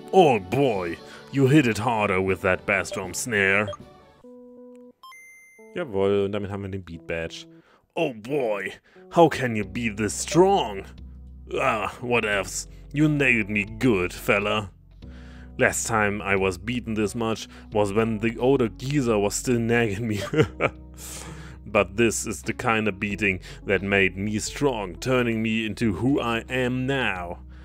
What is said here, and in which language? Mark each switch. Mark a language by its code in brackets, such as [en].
[en] Oh boy, you hit it harder with that bass drum snare. [de] Jawohl, und damit haben wir den Beat Badge. [en] Oh boy, how can you be this strong? Ah, what else? You nailed me good, fella. Last time I was beaten this much was when the older geezer was still nagging me. But this is the kind of beating that made me strong, turning me into who I am now.